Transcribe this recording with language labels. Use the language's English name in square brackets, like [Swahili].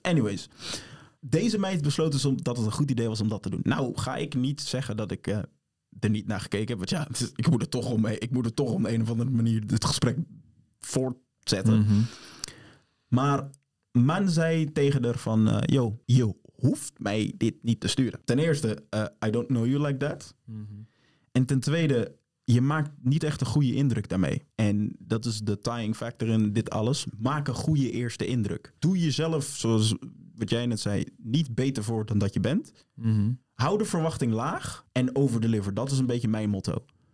[Dutch] Anyways, deze meid besloot dus dat het een goed idee was om dat te doen. Nou, ga ik niet zeggen dat ik... er niet naar gekeken heb. Want ja, ik moet er toch om een of andere manier het gesprek voortzetten. Mm-hmm. Maar man zei tegen haar van... yo, je hoeft mij dit niet te sturen. Ten eerste, [English] I don't know you like that. Mm-hmm. [Dutch] En ten tweede, je maakt niet echt een goede indruk daarmee. En dat is de tying factor in dit alles. Maak een goede eerste indruk. Doe jezelf, zoals wat jij net zei, niet beter voor dan dat je bent. Mm-hmm. Hou de verwachting laag en overdeliver. Dat is een beetje mijn motto.